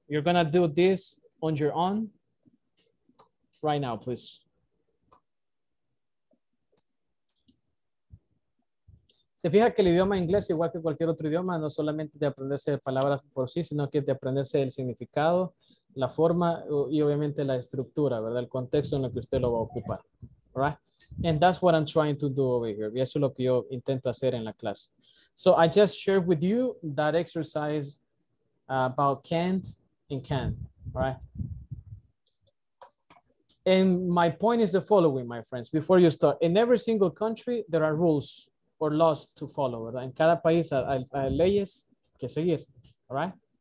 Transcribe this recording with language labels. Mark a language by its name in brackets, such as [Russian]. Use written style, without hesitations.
[English] You're going to do this on your own right now, please. [Spanish] Se fija que el idioma inglés, igual que cualquier otro idioma, no solamente de aprenderse de palabras por sí, sino que de aprenderse el significado, la forma y obviamente la estructura, ¿verdad? El contexto en el que usted lo va a ocupar. [English] All right. And that's what I'm trying to do over here. [Spanish] Y eso es lo que yo intento hacer en la clase. [English] So I just shared with you that exercise about can't and can, right? And my point is the following, my friends, before you start. In every single country, there are rules or laws to follow, [Spanish] ¿verdad? En cada país hay leyes que seguir, [English] all right?